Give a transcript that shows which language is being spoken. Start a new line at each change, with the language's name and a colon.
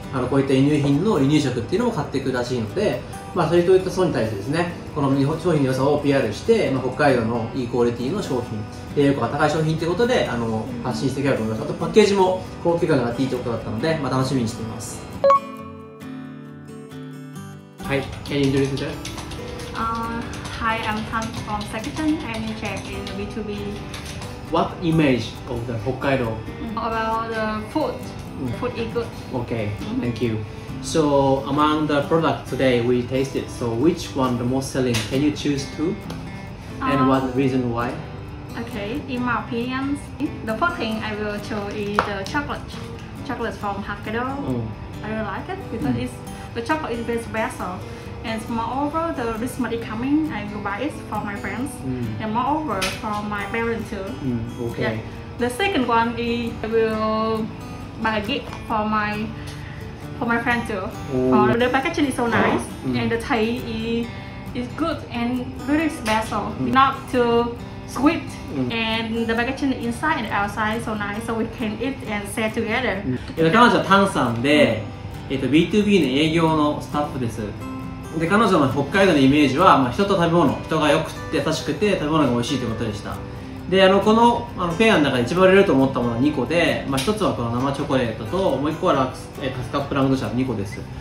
Japanese: こういった輸入品の輸入食っていうのを買っていくらしいので、まあ、それといった層に対してですね、この日本商品の良さを PR して、まあ、北海道のいいクオリティの商品、栄養価が高い商品ということで発信していけばと思います。あとパッケージも高級感があっていいということだったので、まあ、楽しみにしています。
English: はい、can you introduce yourself? Hi, I'm Tan from Sakitan and Check in B2B. What image of the Hokkaido? About the food. Food is good. Okay, thank you. So among the products today we tasted, so which one the most selling? Can you choose two? And what reason why? Okay, in my opinion, the first thing I will choose is the chocolate. Chocolate from Hokkaido. I really like it because it's... The chocolate is very special, and moreover, the this money coming, I will buy it for my friends, and moreover, for my parents too. Okay. Yeah. The second one is I will buy a gift for my friend too. Oh. The packaging is so nice, and the tea is good and really special. Not too sweet, and the packaging inside and outside so nice, so we can eat and share together. The guy is Tang San there.
Japanese: B2B の営業のスタッフです。で彼女の北海道のイメージは、まあ、人と食べ物、人がよくて優しくて食べ物が美味しいということでした。でこのペアの中で一番売れると思ったものは2個で、まあ、1つはこの生チョコレートともう1個はハスカップラングドシャの2個です。